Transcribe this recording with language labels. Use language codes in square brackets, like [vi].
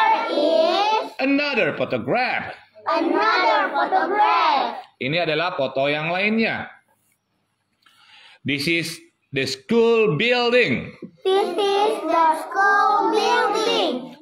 [en] Here is another photograph. Another photograph. [id] Ini adalah foto yang lainnya. [en] This is the school building. This is the school building.